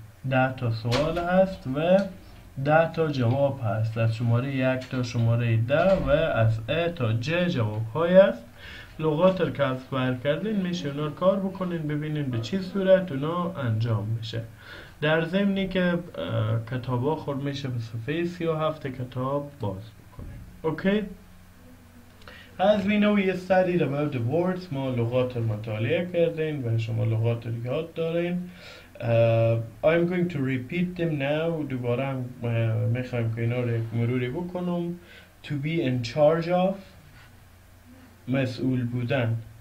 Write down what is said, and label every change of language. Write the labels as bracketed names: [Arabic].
[Persian] 10 سوال هست و 10 جواب هست، از شماره 1 تا شماره 10 و از ا تا ج جواب های هست. لغات رو که اسکوایر کردین میشه اونا کار بکنین، ببینین به چی صورت اونا انجام میشه. در ضمنی که کتاب ها خورد میشه به صفحه 37 کتاب باز. [English] Okay. As we know, we studied about the words. [Persian] ما لغات رو مطالعه کردیم و شما لغات رو یاد دارین. [English] I'm going to repeat them now. [Persian] دوباره میخوام که اینا رو مروری بکنم. [English] To be in charge of، [Persian] مسئول بودن.